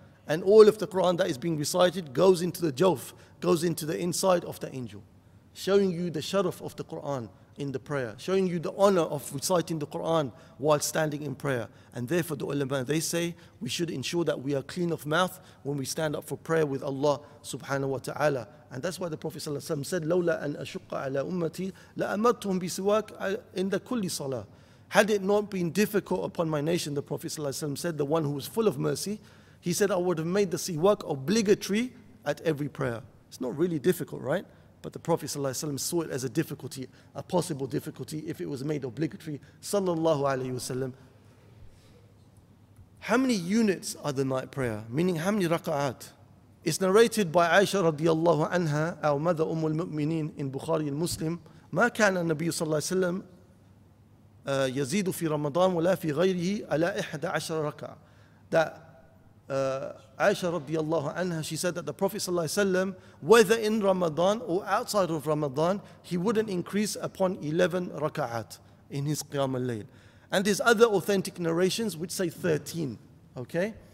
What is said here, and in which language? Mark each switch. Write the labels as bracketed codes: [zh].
[en] And all of the Quran that is being recited goes into the jawf, goes into the inside of the angel, showing you the sharaf of the Quran in the prayer, showing you the honor of reciting the Quran while standing in prayer. And therefore the ulama, they say, we should ensure that we are clean of mouth when we stand up for prayer with Allah subhanahu wa ta'ala. And that's why the Prophet sallallahu alaihi wasallam said, [ar] لَوْلَا أَنْ أَشُقَّ عَلَىٰ أُمَّتِي لَأَمَرْتُهُمْ بِسِوَاكَ عِنْدَ كُلِّ صَلَىٰ. [en] Had it not been difficult upon my nation, the Prophet sallallahu alaihi wasallam said, the one who was full of mercy, he said, I would have made the siwak obligatory at every prayer. It's not really difficult, right? But the Prophet ﷺ saw it as a difficulty, a possible difficulty, if it was made obligatory. Sallallahu alayhi wasallam. How many units are the night prayer? Meaning, how many raka'at? It's narrated by Aisha radiallahu anha, our mother Umm al-Mu'mineen in Bukhari al-Muslim. [ar] ما كان النبي صلى الله عليه وسلم يزيد في رمضان ولا في غيره على 11 ركعة. [en] That Aisha radiallahu anha, she said that the Prophet صلى الله عليه وسلم, whether in Ramadan or outside of Ramadan, he wouldn't increase upon 11 rak'at in his Qiyam al-Layl. And there's other authentic narrations which say 13, okay?